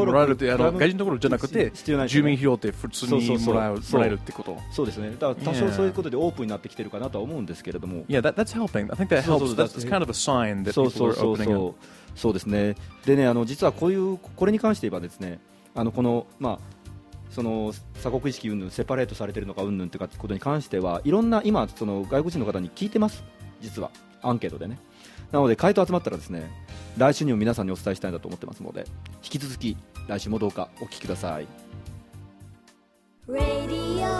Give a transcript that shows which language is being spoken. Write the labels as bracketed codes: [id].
[ja] もらえるって、あの外人のところじゃなくて住民票って普通にもらえるってこと。そうですね。だから多少そういうことでオープンになってきてるかなとは思うんですけれども。 [en] Yeah, that's helping. I think that helps. That's kind of a sign that people are opening up. [ja] そうですね。でね、あの実はこういうこれに関して言えばですね、あのこのまあその鎖国意識云々、セパレートされてるのか云々ってかってことに関しては、いろんな今その外国人の方に聞いてます。実はアンケートでね。なので回答集まったらですね、来週にも皆さんにお伝えしたいなと思ってますので、引き続き来週もどうかお聞きください。 Radio